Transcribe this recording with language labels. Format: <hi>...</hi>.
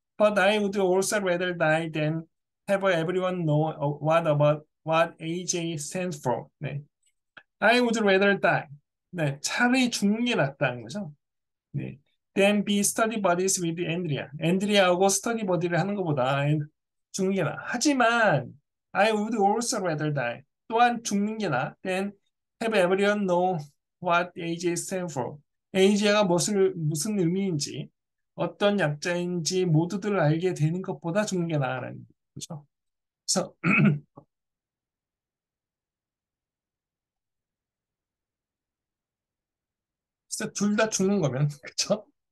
<en>But I would also rather die than have everyone know what AJ stands for. 네. I would rather die.</en> <ko>네, 차라리 죽는 게 낫다는 거죠. 네.</ko> <en>than be study buddies with Andrea.</en> <ko>Andrea하고 study buddy를 하는 것보다 죽는 게 나아. 하지만</ko> <en>I would also rather die.</en> <ko>또한 죽는 게 나아.</ko> <en>Then have everyone know what AJ stands for.</en> <ko>AJ가 무슨 의미인지, 어떤 약자인지 모두들 알게 되는 것보다 죽는 게 나아라는 거죠. 그래서 진짜 둘다 죽는 거면 그렇죠?</ko>